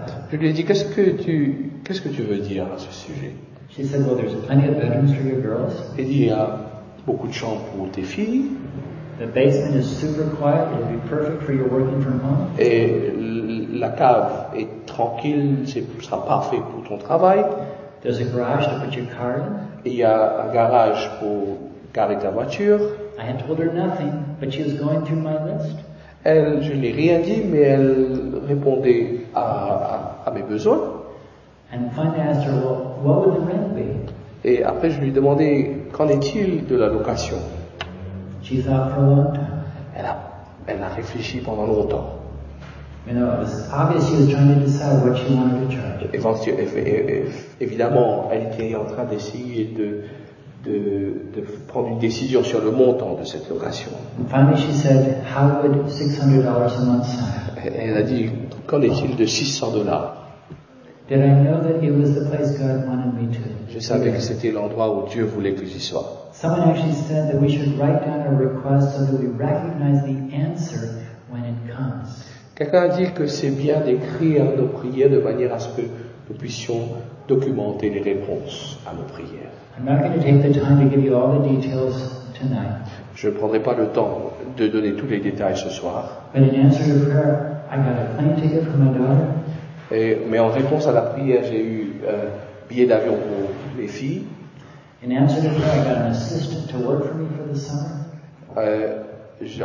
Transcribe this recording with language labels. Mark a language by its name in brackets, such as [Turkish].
[French] Je lui ai dit, qu'est-ce que tu veux dire à ce sujet? Elle dit, il y a beaucoup de chambres pour tes filles. [English] The basement is super quiet. It'll be perfect for your working from home. [French] Et la cave est tranquille. Ce sera parfait pour ton travail. [English] There's a garage to put your car in. [French] Il y a un garage pour garer ta voiture. [English] I had told her nothing, but she was going through my list. [French] Elle, je n'ai rien dit, mais elle répondait à mes besoins. [English] And finally I asked her, what would the rent be? [French] Et après je lui ai demandé, qu'en est-il de la location? [English] She thought for a long time. [French] Elle a réfléchi pendant longtemps. [English] You know, it was obvious she was trying to decide what she wanted to charge. [French] Évidemment, elle était en train d'essayer de de prendre une décision sur le montant de cette location. [English] And finally she said, how would $600 a month sound? [French] Elle a dit, qu'en est-il de $600? [English] Did I know that it was the place God wanted me to? [French] Je savais que c'était l'endroit où Dieu voulait que j'y sois. [English] Someone actually said that we should write down a request so that we recognize the answer when it comes. [French] Quelqu'un a dit que c'est bien d'écrire nos prières de manière à ce que nous puissions documenter les réponses à nos prières. [English] I'm not going to take the time to give you all the details tonight. [French] Je ne prendrai pas le temps de donner tous les détails ce soir. [English] But in answer to prayer, I got a plane ticket for my daughter. [French] Mais en réponse à la prière, j'ai eu billet d'avion pour mes filles. [English] In answer to prayer, I got an assistant to work for me for the summer.